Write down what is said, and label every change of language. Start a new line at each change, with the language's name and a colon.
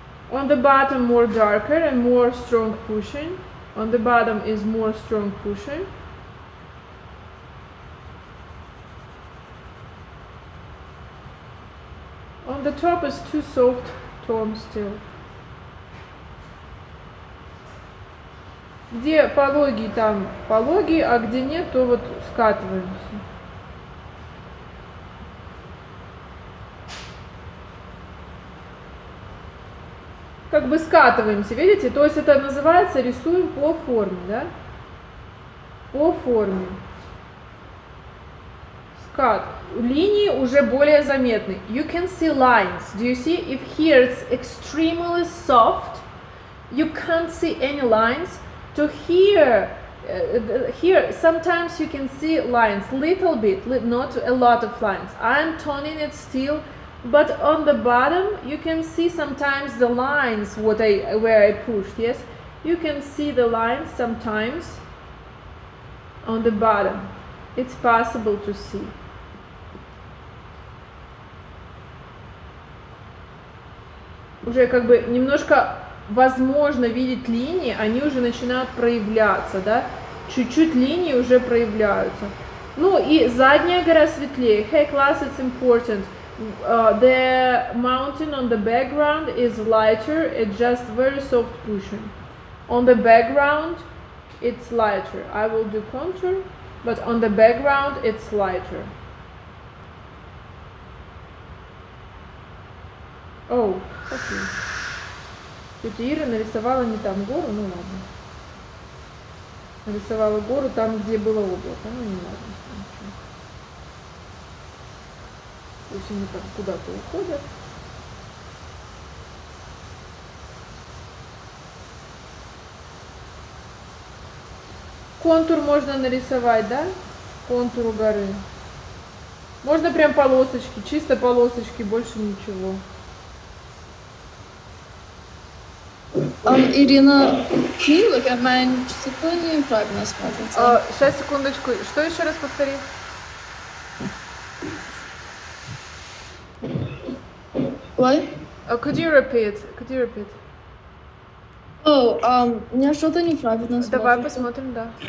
English: On the bottom more darker and more strong pushing. On the bottom is more strong pushing. On the top is too soft, tone still.
Russian: Где пологий, там пологий, а где нет, то вот скатываемся. Как бы скатываемся, видите? То есть это называется рисуем по форме, да? По форме. Скат. Линии уже более заметны.
English: You can see lines. Do you see? If here it's extremely soft, you can't see any lines. To here, sometimes you can see lines. Little bit, not a lot of lines. I'm toning it still. But on the bottom, you can see sometimes the lines, what I, where I pushed, yes? You can see the lines sometimes on the bottom. It's possible to see.
Russian: Уже как бы немножко возможно видеть линии, они уже начинают проявляться, да? Чуть-чуть линии уже проявляются. Ну и задняя гора светлее.
English: Hey, class, it's important. The mountain on the background is lighter, it's just very soft pushing. On the background it's lighter. I will do contour, but on the background it's lighter. Oh, okay.
Russian: Тетя Ира нарисовала не там гору, ну ладно. Нарисовала гору там, где было облако, ну не ладно. То есть они там куда-то уходят. Контур можно нарисовать, да? Контур у горы. Можно прям полосочки, чисто полосочки, больше ничего.
English: Ирина, can you look at my Chitonia prognosis patterns?
Russian: Сейчас, секундочку, что еще раз повтори?
English: What? Could you repeat?
Russian: Oh, у меня что-то неправильно. Давай посмотрим, да.